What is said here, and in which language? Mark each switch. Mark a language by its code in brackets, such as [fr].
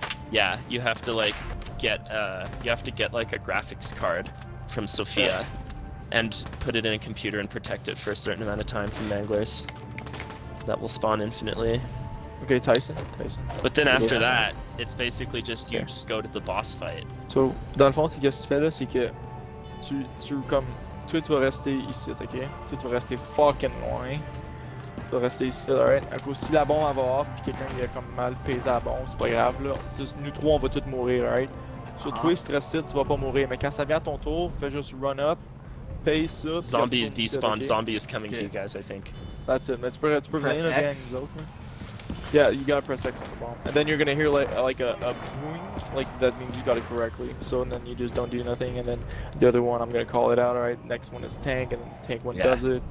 [en] Yeah, you have to, like, get a graphics card from Sophia. Yeah. And put it in a computer and protect it for a certain amount of time from Manglers. That will spawn infinitely. Okay, Tyson. But then after that, it's basically just you just go to the boss fight. [fr] So, dans le fond, ce que tu fais là, c'est que tu vas rester ici, ok? Toi, tu vas rester fucking loin. Tu vas rester ici, alright? À cause si la bombe va off, puis quelqu'un il a comme mal pesé la bombe, c'est pas grave là. C'est, nous trois, on va tous mourir, right? Sur toi, si tu restes ici, tu vas pas mourir. Mais quand ça vient à ton tour, fais juste [en] run up. Zombie is despawned. Zombie is coming to you guys, I think. That's it. Let's press X. Yeah, you gotta press X on the bomb. And then you're gonna hear like a boing. Like, that means you got it correctly. So, and then you just don't do nothing. And then the other one, I'm gonna call it out, alright? Next one is tank, and then tank one does it.